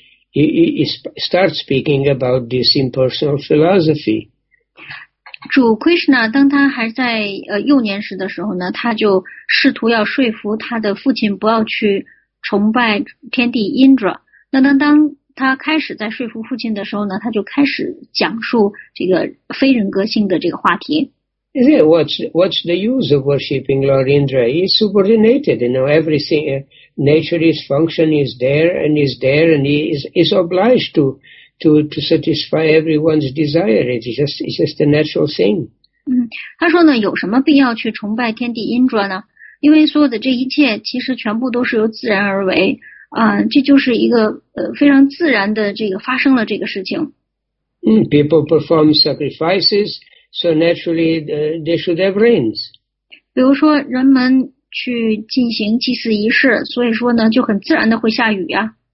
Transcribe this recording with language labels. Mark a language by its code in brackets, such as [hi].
[en] He actually starts speaking about this impersonal philosophy. [zh] 主 Krishna 当他还在幼年时的时候呢，他就试图要说服他的父亲不要去崇拜天帝 Indra， 那当他开始在说服父亲的时候呢，他就开始讲述这个非人格性的这个话题。 [en] Is it what's the use of worshipping Lord Indra? He's subordinated, you know. Everything, nature's function is there, and he is obliged to satisfy everyone's desire. It's just a natural thing. [zh] 他说呢，有什么必要去崇拜天帝 Indra 呢？因为所有的这一切其实全部都是由自然而为这就是一个非常自然的这个发生了这个事情。 [en] People perform sacrifices, so naturally they should have rains. [zh] 比如说人们去进行祭祀仪式，所以说呢就很自然的会下雨呀。